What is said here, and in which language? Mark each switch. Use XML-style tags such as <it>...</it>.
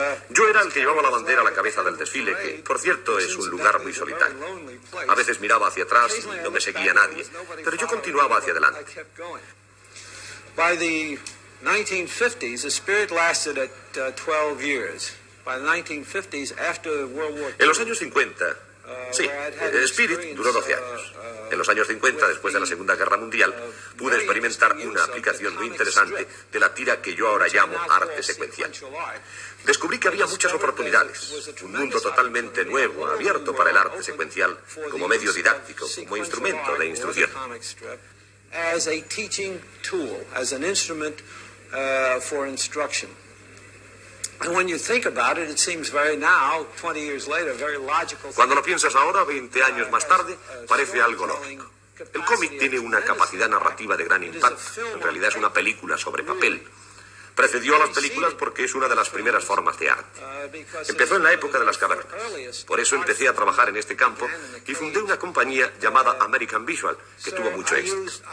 <es>Yo era el que llevaba la bandera a la cabeza del desfile, que, por cierto, es un lugar muy solitario. A veces miraba hacia atrás y no me seguía nadie, pero yo continuaba hacia adelante.</es> <en>By the 1950s, the spirit lasted at 12 years. By the 1950s, after World War II,</en> <es>en los años 50, sí, Spirit duró 12 años. En los años 50, después de la Segunda Guerra Mundial, pude experimentar una aplicación muy interesante de la tira que yo ahora llamo arte secuencial. Descubrí que había muchas oportunidades, un mundo totalmente nuevo, abierto para el arte secuencial, como medio didáctico, como instrumento de instrucción.</es> <en>As a teaching tool, as an instrument for instruction. And when you think about it, it seems very now, 20 years later, very logical.</en> <es>Cuando lo piensas ahora, 20 años más tarde, parece algo lógico. El cómic tiene una capacidad narrativa de gran impacto. En realidad es una película sobre papel. Precedió a las películas porque es una de las primeras formas de arte. Empezó en la época de las cavernas. Por eso empecé a trabajar en este campo y fundé una compañía llamada American Visual, que tuvo mucho éxito.</es>